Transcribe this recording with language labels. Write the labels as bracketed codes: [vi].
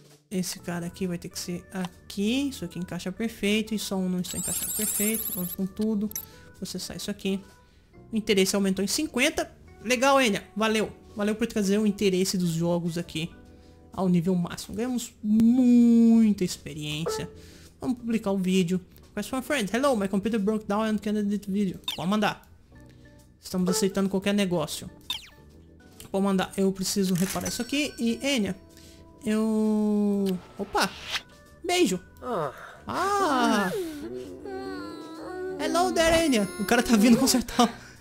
[pt] Esse cara aqui vai ter que ser aqui. Isso aqui encaixa perfeito. E só um não está encaixando perfeito. Vamos com tudo. Você sai isso aqui. O interesse aumentou em 50. Legal, Enya. Valeu. Valeu por trazer o interesse dos jogos aqui ao nível máximo. Ganhamos muita experiência. Vamos publicar o vídeo. [en] Quest for a friend. Hello, my computer broke down and can't edit the video. [pt] Pode mandar. Estamos aceitando qualquer negócio. Pode mandar. Eu preciso reparar isso aqui. E Enya. Eu... Opa! Beijo! Ah! [en] Hello there, Enya! [pt] O cara tá vindo consertar.